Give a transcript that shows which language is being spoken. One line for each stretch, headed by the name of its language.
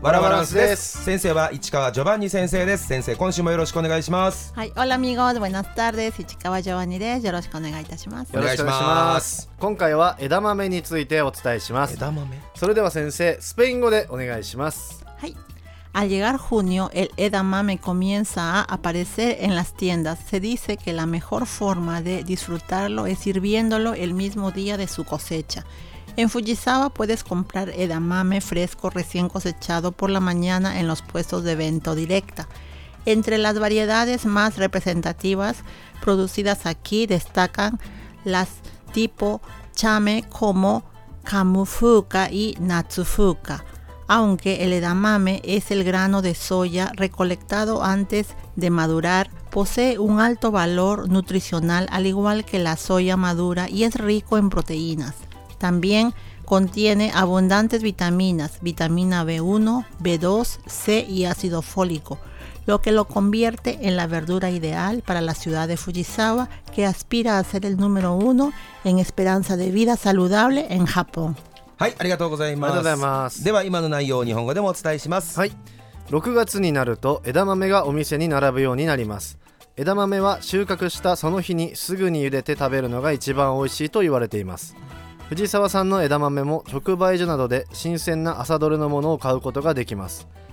Japanese: ワラワランスです。先生は市川ジョバンニ先生です。先生、今週もよろしくお願いします。はい、
Spanish: オラミゴーズバイナスタール
Japanese: です。市川ジョバンニです。よろしくお願いいたします。よろしくお願いします。今回は枝豆についてお伝えします。枝豆。それでは先生、スペイン語でお願いします。はい。
Spanish: Al llegar junio, el edamame comienza a aparecer en las tiendas. Se dice que la mejor forma de disfrutarlo es hirviéndolo el mismo día de su cosecha. En Fujisawa puedes comprar edamame fresco recién cosechado por la mañana en los puestos de venta directa. Entre las variedades más representativas producidas aquí destacan las tipo chame como Kamufuka y Natsufuka. Aunque el edamame es el grano de soya recolectado antes de madurar, posee un alto valor nutricional al igual que la soya madura y es rico en proteínas. También contiene abundantes vitaminas, vitamina B1, B2, C y ácido fólico, lo que lo convierte en la verdura ideal para la ciudad de Fujisawa, que aspira a ser el número uno en esperanza de vida saludable en Japón.
Japanese: はい、ありがとうございます。ありがとうございます。では今の内容を日本語でもお伝えします。はい。 6月になると枝豆がお店に並ぶようになります。枝豆は収穫したその日にすぐに茹でて食べるのが一番美味しいと言われています。藤沢さんの枝豆も直売所などで新鮮な朝どれのものを買うことができます。